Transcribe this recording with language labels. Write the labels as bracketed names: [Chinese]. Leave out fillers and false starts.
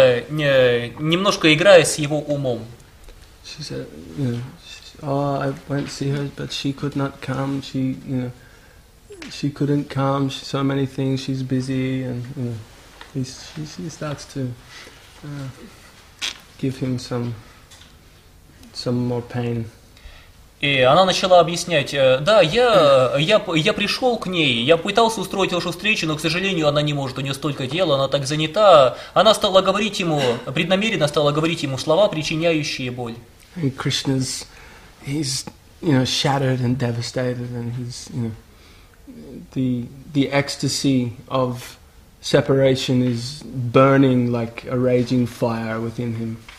[Russian] Немножко играя с его умом. [English] She said, "Oh, I went to see her, but she could not come. She couldn't come. She, so many things. She's busy, and she starts to give him some more pain." [Russian] И она начала объяснять, да, я пришел к ней, я пытался устроить вашу встречу, но, к сожалению, она не может, у нее столько дел, она так занята. Она стала говорить ему, преднамеренно стала говорить ему слова, причиняющие боль. [English] And Krishna's, he's, shattered and devastated, and he's, the ecstasy of separation is burning like a raging fire within him.